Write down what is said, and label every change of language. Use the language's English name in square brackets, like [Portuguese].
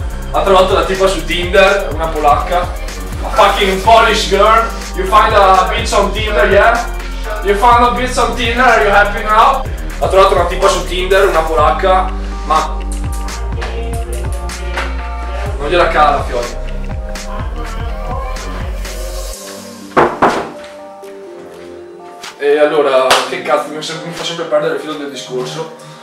[Italian] Ha trovato la tipa su Tinder, una polacca. [English] A fucking Polish girl. You find a bitch on Tinder, yeah? You found a bitch on Tinder, are you happy now? [Italian] Ha trovato una tipa su Tinder, una polacca, ma. Non gliela cala, Fiori. E allora, che cazzo, mi fa sempre perdere il filo del discorso.